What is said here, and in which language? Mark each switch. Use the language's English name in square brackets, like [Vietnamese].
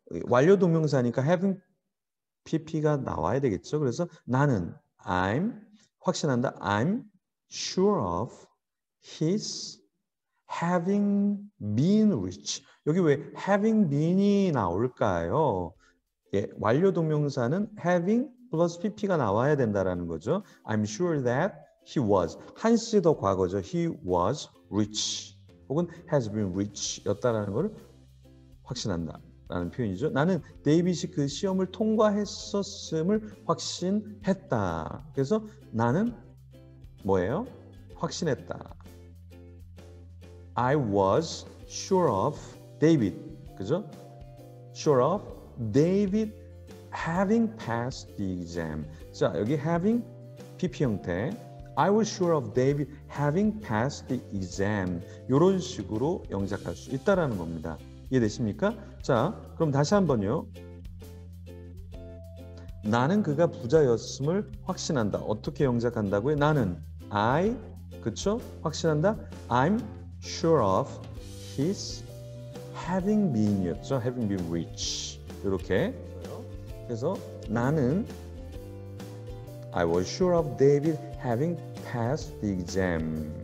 [Korean] 완료 동명사니까 having PP가 나와야 되겠죠. 그래서 나는 I'm 확신한다. [English] I'm sure of his having been rich. [Korean] 여기 왜 having been이 나올까요? 예, 완료 동명사는 [English] having plus PP [Korean] 가 나와야 된다라는 거죠. [English] I'm sure that he was. [Korean] 한 시제 더 과거죠. [English] He was rich. [Korean] 혹은 [English] has been rich [Korean] 였다라는 걸 확신한다. 라는 표현이죠. 나는 데이빗이 그 시험을 통과했었음을 확신했다. 그래서 나는 뭐예요? 확신했다. [English] I was sure of David. 그죠? Sure of David having passed the exam. [Korean] 자, 여기 having PP 형태. [English] I was sure of David having passed the exam. [Korean] 이런 식으로 영작할 수 있다라는 겁니다. 이해되십니까? 자, 그럼 다시 한번요. 나는 그가 부자였음을 확신한다. 어떻게 영작한다고요? 나는 I, 그쵸? 확신한다. [English] I'm sure of his having been이었죠. Having been rich. 이렇게. [Korean] 그래서 나는 [English] I was sure of David having passed the exam.